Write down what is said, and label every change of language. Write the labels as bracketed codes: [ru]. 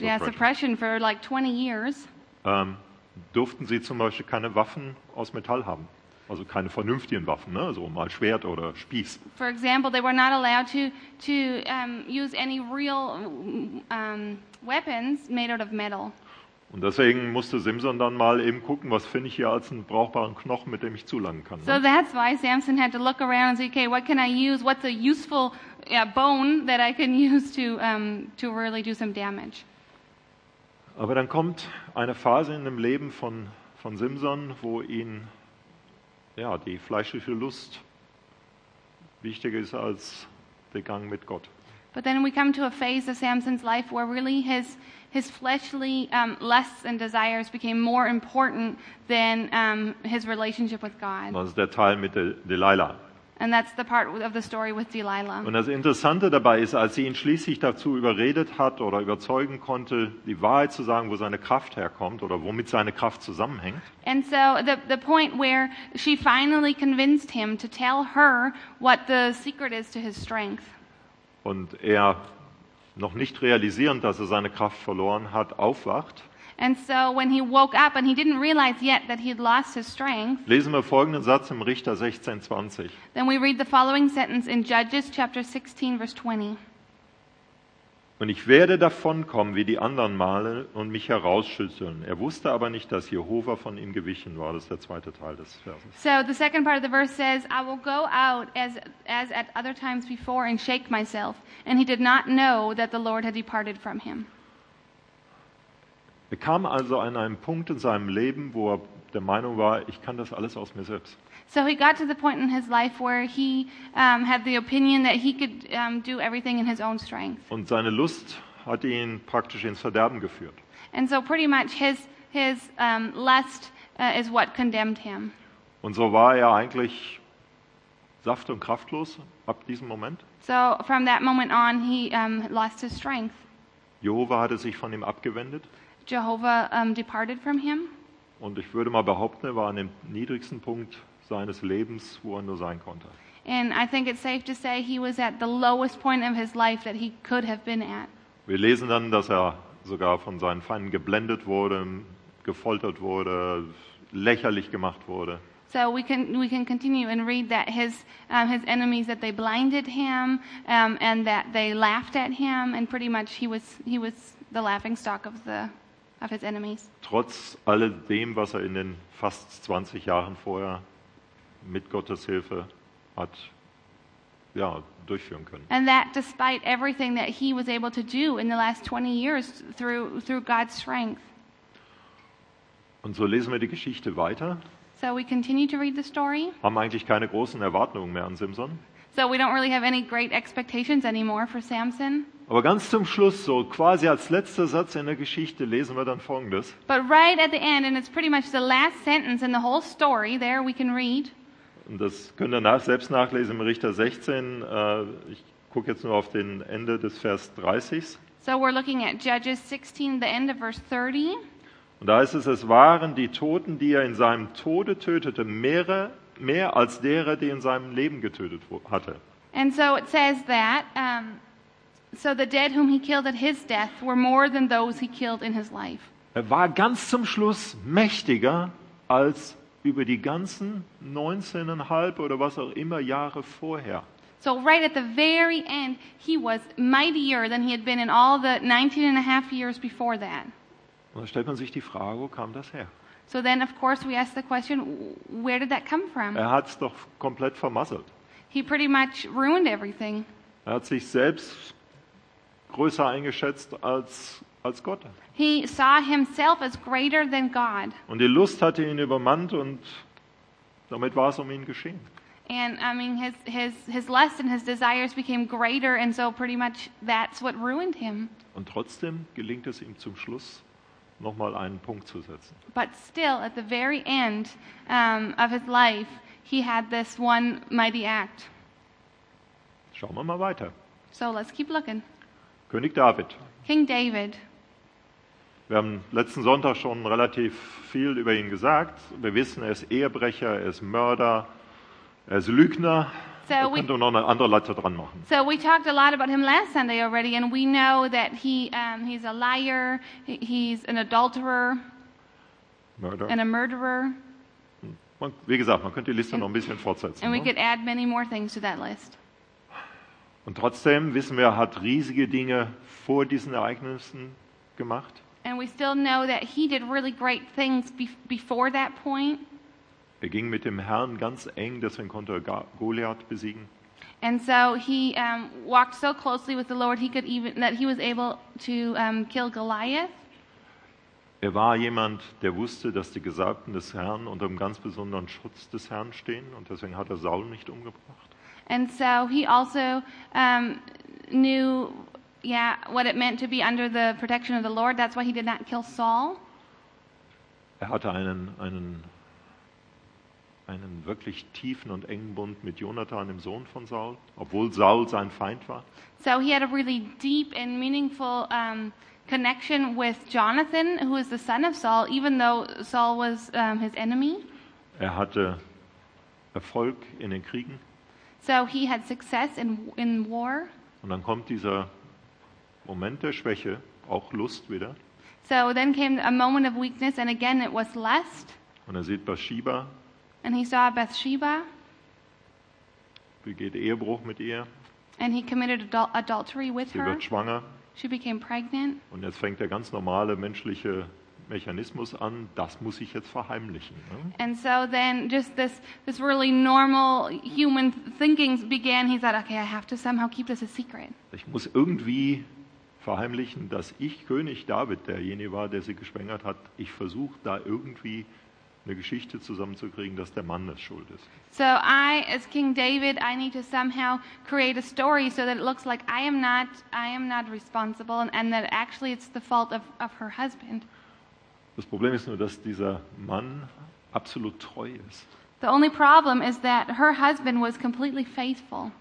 [en] Yeah, suppression for like 20 years. [de] Durften sie zum Beispiel keine Waffen aus Metall haben. Also keine vernünftigen Waffen, ne? Also mal Schwert oder Spieß. [en] For example, they were not allowed to use any real weapons made out of metal. [de] Und deswegen musste Simson dann mal eben gucken, was finde ich hier als einen brauchbaren Knochen, mit dem ich zulangen kann. Ne? [en] So that's why Samson had to look around and say, okay, what can I use? What's a useful bone that I can use to really do some damage? [de] Aber dann kommt eine Phase in dem Leben von Simson, wo ihn ja, die fleischliche Lust wichtiger ist als der Gang mit Gott. [en] But then we come to a phase of Samson's life where really his fleshly lusts and desires became more important than his relationship with God. [de] Das ist der Teil mit Delilah. [en] And that's the part of the story with Delilah. [de] Und das Interessante dabei ist, als sie ihn schließlich dazu überredet hat oder überzeugen konnte, die Wahrheit zu sagen, wo seine Kraft herkommt oder womit seine Kraft zusammenhängt. [en] And so the point where she finally convinced him to tell her what the secret is to his strength. [de] Und er, noch nicht realisierend, dass er seine Kraft verloren hat, aufwacht. [en] And so when he woke up and he didn't realize yet that he'd lost his strength. [de] Lesen wir folgenden Satz im Richter 16:20. [en] Then we read the following sentence in Judges chapter 16 verse 20. [de] Und ich werde davonkommen wie die anderen Male und mich herausschütteln. Er wusste aber nicht, dass Jehova von ihm gewichen war. Das ist der zweite Teil des Verses. [en] So the second part of the verse says, I will go out as at other times before and shake myself. And he did not know that the Lord had departed from him. [de] Er kam also an einen Punkt in seinem Leben, wo er der Meinung war, ich kann das alles aus mir selbst. [en] So he got to the point in his life where he had the opinion that he could do everything in his own strength. [de] Und seine Lust hat ihn praktisch ins Verderben geführt. [en] And so pretty much his lust is what condemned him. [de] Und so war er eigentlich saft- und kraftlos ab diesem Moment. [en] So from that moment on he lost his strength. [de] Jehova hatte sich von ihm abgewendet. [en] Jehovah departed from him. [de] Und ich würde mal behaupten, er war an dem niedrigsten Punkt seines Lebens, wo er nur sein konnte. [en] And I think it's safe to say he was at the lowest point of his life that he could have been at. [de] Wir lesen dann, dass er sogar von seinen Feinden geblendet wurde, gefoltert wurde, lächerlich gemacht wurde. [en] So we can continue and read that his enemies, that they blinded him and that they laughed at him, and pretty much he was the laughing stock of his enemies. [de] Trotz alledem, was er in den fast 20 Jahren vorher mit Gottes Hilfe hat durchführen können. [en] And that despite everything that he was able to do in the last 20 years through God's strength. [de] Und so lesen wir die Geschichte weiter. [en] So we continue to read the story. [de] Haben eigentlich keine großen Erwartungen mehr an Simson. [en] So we don't really have any great expectations anymore for Samson. [de] Aber ganz zum Schluss, so quasi als letzter Satz in der Geschichte, lesen wir dann Folgendes. [en] But right at the end, and it's pretty much the last sentence in the whole story there, we can read. [de] Und das könnt ihr selbst nachlesen im Richter 16. Ich gucke jetzt nur auf den Ende des Vers 30. [en] So we're looking at Judges 16, the end of verse 30. [de] Und da heißt es, es waren die Toten, die er in seinem Tode tötete, mehr als derer, die er in seinem Leben getötet hatte. [en] And so it says that so the dead whom he killed at his death were more than those he killed in his life. [de] Er war ganz zum Schluss mächtiger als über die ganzen 19,5 oder was auch immer Jahre vorher. [en] So right at the very end he was mightier than he had been in all the 19.5 years before that. [de] Und dann stellt man sich die Frage, wo kam das her? [en] So then of course we ask the question, where did that come from? [de] Er hat's doch komplett vermasselt. [en] He pretty much ruined everything. [de] Er hat sich selbst größer eingeschätzt als Gott. [en] He saw himself as greater than God. [de] Und die Lust hatte ihn übermannt und damit war es um ihn geschehen. [en] And I mean his lust and his desires became greater, and so pretty much that's what ruined him. [de] Und trotzdem gelingt es ihm zum Schluss nochmal einen Punkt zu setzen. [en] But still, at the very end of his life, he had this one mighty act. [de] Schauen wir mal weiter. [en] So let's keep looking. [de] König David. [en] King David. [de] Wir haben letzten Sonntag schon relativ viel über ihn gesagt. Wir wissen, er ist Ehebrecher, er ist Mörder, er ist Lügner. So da könnte man noch eine andere Leiter dran machen. [en] So we talked a lot about him last Sunday already, and we know that he's a liar, he's an adulterer, and a murderer. [de] Wie gesagt, man könnte die Liste noch ein bisschen fortsetzen. [en] And we could add many more things to that list. [de] Und trotzdem wissen wir, er hat riesige Dinge vor diesen Ereignissen gemacht. [en] And we still know that he did really great things before that point. [de] Er ging mit dem Herrn ganz eng, deswegen konnte er Goliath besiegen. [en] And so he walked so closely with the Lord, he was able to kill Goliath. [de] Er war jemand, der wusste, dass die Gesalbten des Herrn unter einem ganz besonderen Schutz des Herrn stehen, und deswegen hat er Saul nicht umgebracht. [en] And so he also knew what it meant to be under the protection of the Lord. That's why he did not kill Saul. [de] Er hatte einen wirklich tiefen und engen Bund mit Jonathan, dem Sohn von Saul, obwohl Saul sein Feind war. [en] So he had a really deep and meaningful connection with Jonathan, who is the son of Saul, even though Saul was his enemy. [de] Er hatte Erfolg in den Kriegen. [en] So he had success in war. [de] Und dann kommt dieser Moment der Schwäche, auch Lust wieder. [en] So then came a moment of weakness, and again it was lust. [de] Und er sieht Bathsheba. [en] And he saw Bathsheba. [de] Begeht Ehebruch mit ihr. [en] And he committed adultery with her. [de] Sie wird schwanger. [en] She became pregnant. [de] Und jetzt fängt der ganz normale menschliche Mechanismus an. Das muss ich jetzt verheimlichen. Ne? [en] And so then just this really normal human thinking began. He thought, okay, I have to somehow keep this a secret. [de] Ich muss irgendwie verheimlichen, dass ich König David derjenige war, der sie geschwängert hat. Ich versuche da irgendwie eine Geschichte zusammenzukriegen, dass der Mann das schuld ist. [en] So I, as King David, I need to somehow create a story so that it looks like I am not responsible, and that actually it's the fault of her husband. [de] Das Problem ist nur, dass dieser Mann absolut treu ist. [en] The only problem is that her husband was completely faithful.